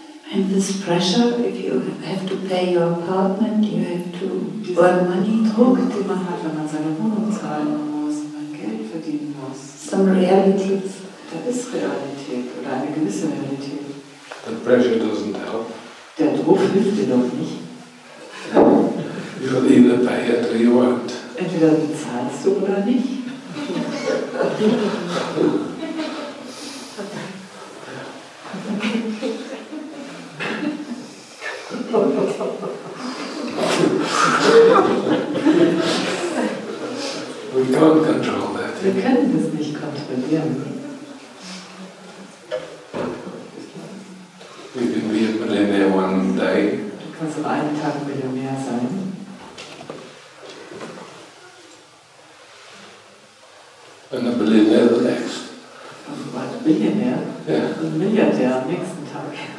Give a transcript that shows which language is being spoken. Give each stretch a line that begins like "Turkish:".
English: And this pressure, if you have to pay your apartment, you have to earn money.
German: Druck, den man hat, wenn man seine Wohnung zahlen muss, wenn man Geld verdienen muss.
English: Some reality.
German: Da ist Realität oder eine gewisse Realität.
English: The pressure doesn't help.
German: Der Druck hilft dir doch nicht.
English: You will either pay it or you won't.
German: Entweder bezahlst du oder nicht.
English: We can't control that.
German: Wir können das nicht kontrollieren.
English: You can be a millionaire one day.
German: Du kannst auf einen Tag Millionär sein.
English: And a billionaire the next.
German: Und bald Billionär?
English: Yeah.
German: ein Milliardär am nächsten Tag.